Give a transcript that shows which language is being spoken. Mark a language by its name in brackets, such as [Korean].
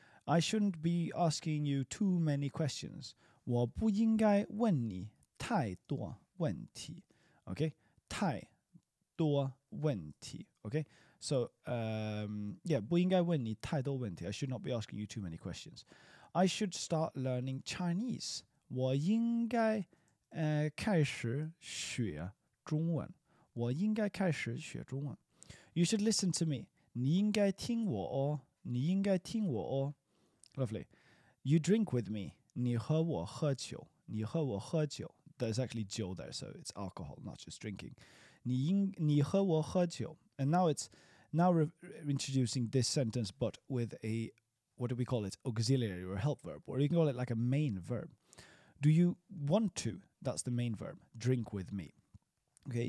[English] I shouldn't be asking you too many questions. [Chinese] 我不应该问你太多问题. [English] Okay? [Chinese] 太多问题. [English] Okay? [Chinese] So, 不应该问你太多问题. [English] I should not be asking you too many questions. I should start learning Chinese. [Chinese] 我应该开始学中文. 我应该开始学中文. [English] You should listen to me. [Chinese] 你应该听我哦。你应该听我哦。 [English] Lovely. You drink with me. [Chinese] 你和我喝酒。你和我喝酒。 [English] There's actually 酒 there, so it's alcohol, not just drinking. [Chinese] 你和我喝酒。 [English] And now it's introducing this sentence, but with a, what do we call it? Auxiliary or help verb. Or you can call it like a main verb. Do you want to? That's the main verb. Drink with me. Okay.